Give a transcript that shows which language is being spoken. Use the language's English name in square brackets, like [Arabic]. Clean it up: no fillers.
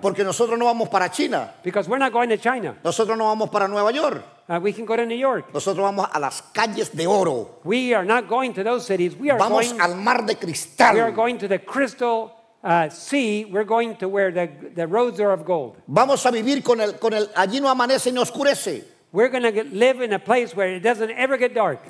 [Spanish] Porque nosotros no vamos para China. [English] Because we're not going to China. [Spanish] Nosotros no vamos para Nueva York. [English] We can go to New York. [Spanish] Nosotros vamos a las calles de oro. [English] We are not going to those cities. We are [Spanish] vamos [English] going [Spanish] al mar de cristal. [English] We are going to the crystal sea. We're going to where the roads are of gold. [Spanish] Vamos a vivir con el allí no amanece ni oscurece. [English] We're going to live in a place where it doesn't ever get dark.